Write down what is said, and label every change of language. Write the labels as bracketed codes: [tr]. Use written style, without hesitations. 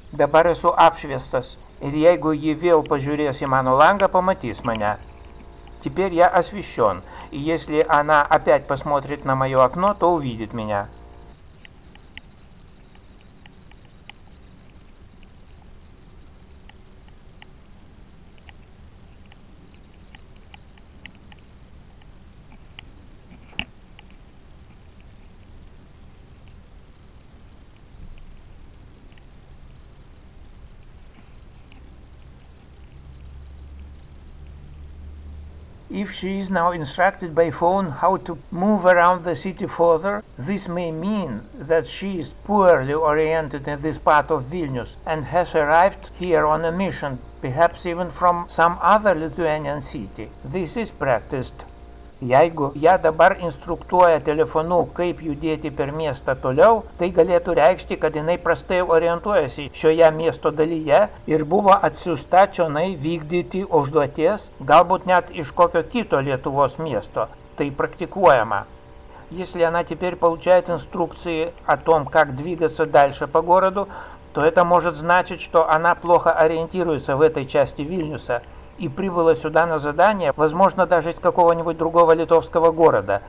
[lt] Dabar esu apšviestas, ir jeigu ji vėl pažiūrės į mano langą, pamatys mane. [ru] Теперь я освещен, и если она опять посмотрит на мое окно, то увидит меня. [en] If she is now instructed by phone how to move around the city further, this may mean that she is poorly oriented in this part of Vilnius and has arrived here on a mission, perhaps even from some other Lithuanian city. This is practiced. [lt] Jeigu ją dabar instruktuoja telefonu, kaip judėti per miestą toliau, tai galėtų reikšti, kad jinai prastai orientuojasi šioje miesto dalyje ir buvo atsiųsta čionai vykdyti užduoties, galbūt net iš kokio kito Lietuvos miesto. Tai praktikuojama. [ru] Если она теперь получает инструкции о том, как двигаться дальше по городу, то это может значить, что она плохо ориентируется в этой части Вильнюса. И прибыла сюда на задание, возможно, даже из какого-нибудь другого литовского города.